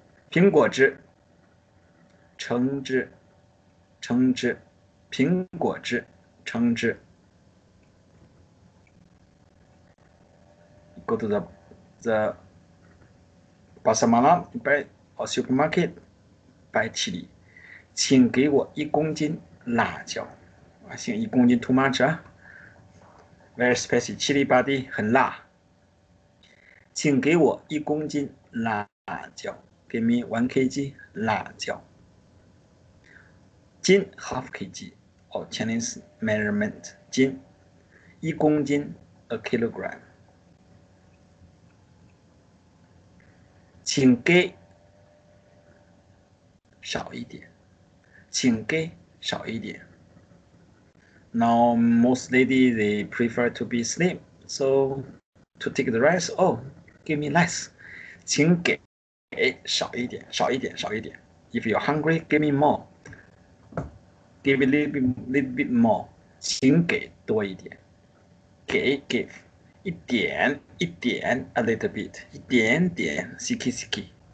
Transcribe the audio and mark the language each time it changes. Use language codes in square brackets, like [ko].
[zh] 苹果汁, 橙汁, 橙汁, 苹果汁, 橙汁。 [en] Go to the Bahasa Malaysia, buy a supermarket, buy chili. [zh] 请给我一公斤辣椒。 [en] I think [zh] 一公斤 [en] too much. Very spicy chili body, [zh] 很辣。请给我一公斤辣椒。 [en] Give me 1 kg 辣椒。斤 half kg, or Chinese measurement, 斤。 [zh] 一公斤 a kilogram. 请给少一点，请给少一点。 [en] Now most ladies they prefer to be slim, so to take the rice, oh, give me less. [zh] 请给少一点，少一点，少一点。 [en] If you're hungry, give me more. Give a little bit more. [zh] 请给多一点。给 give. 一点一点 [en] a little bit, [zh] 一点点 [ms] siki siki.